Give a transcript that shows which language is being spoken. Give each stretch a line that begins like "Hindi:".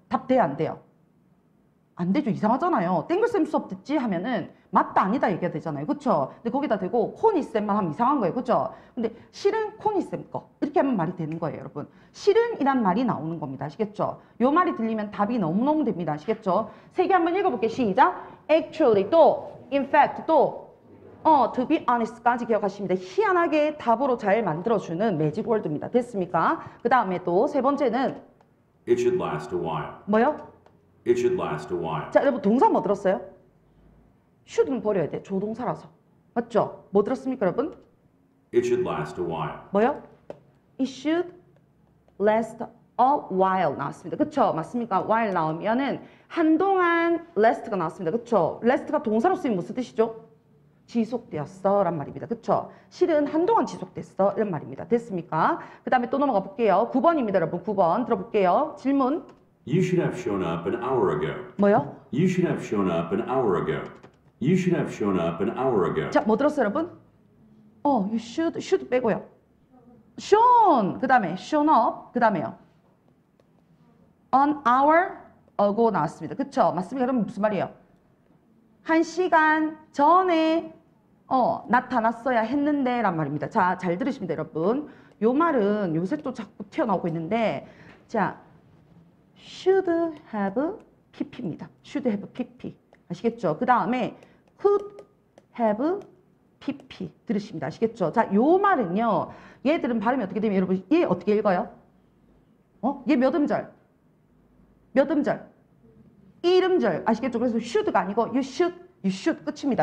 Korean: 답 돼요? 안 돼요? 안 되죠. 이상하잖아요. 땡글쌤 수업 듣지? 하면은 맞다 아니다 얘기가 되잖아요. 그쵸? 근데 거기다 대고 코니쌤만 하면 이상한 거예요. 그쵸? 근데 실은 코니쌤 거. 이렇게 하면 말이 되는 거예요. 여러분. 실은 이란 말이 나오는 겁니다. 아시겠죠? 요 말이 들리면 답이 너무너무 됩니다. 아시겠죠? 세 개 한번 읽어볼게요. 시작!
English: Actually 또 In fact 또 To be honest까지
Korean: 기억하십니다. 희한하게 답으로 잘 만들어주는 매직 월드입니다. 됐습니까? 그 다음에 또 세 번째는
English: It should last a while.
Korean: 뭐요?
English: It should last a while.
Korean: 자, 여러분 동사 뭐 들었어요? should는 버려야 돼. 조동사라서. 맞죠? 뭐 들었습니까, 여러분?
English: It should last a while.
Korean: 뭐요?
English: It should last a while
Korean: 나왔습니다. 그렇죠? 맞습니까? while 나오면은 한동안 last가 나왔습니다. 그렇죠? last가 동사로 쓰면 무슨 뜻이죠? 지속되었어란 말입니다. 그렇죠? 실은 한동안 지속됐어 이런 말입니다. 됐습니까? 그다음에 또 넘어가 볼게요. 9번입니다, 여러분. 9번 들어볼게요. 질문.
English: You should have shown up an hour ago.
Korean: 뭐요?
English: You should have shown up an hour ago. You should have shown up an hour ago.
Korean: 자, 뭐 들었어요, 여러분?
English: 'You should
Korean: 빼고요.
English: Shown 그다음에 shown up
Korean: 그다음에요.
English: An hour ago
Korean: 나왔습니다. 그렇죠? 맞습니까, 여러분? 무슨 말이에요? 한 시간 전에 나타났어야 했는데란 말입니다. 자, 잘 들으십니다, 여러분. 요 말은 요새 또 자꾸 튀어나오고 있는데, 자.
English: should have pp입니다. should have pp.
Korean: 아시겠죠? 그 다음에
English: could have pp
Korean: 들으십니다. 아시겠죠? 자, 요 말은요. 얘들은 발음이 어떻게 되면 여러분, 얘 어떻게 읽어요? 얘 몇 음절? 몇 음절? 이음절. 아시겠죠? 그래서 should가 아니고 you should 끝입니다.